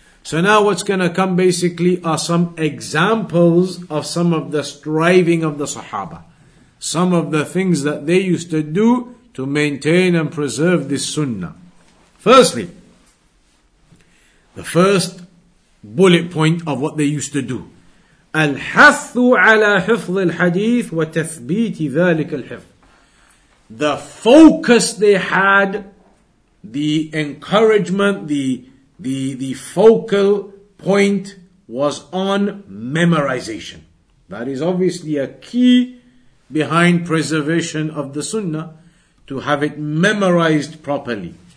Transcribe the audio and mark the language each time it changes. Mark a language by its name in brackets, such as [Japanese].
[English] So now what's going to come basically are some examples of some of the striving of the Sahaba. Some of the things that they used to do to maintain and preserve this sunnah. Firstly, the first bullet point of what they used to do. [Arabic] الحث على حفظ الحديث وتثبيت ذلك الحفظ. [English] The focus they had, the encouragement, the focal point was on memorization. That is obviously a key behind preservation of the sunnah, to have it memorized properly.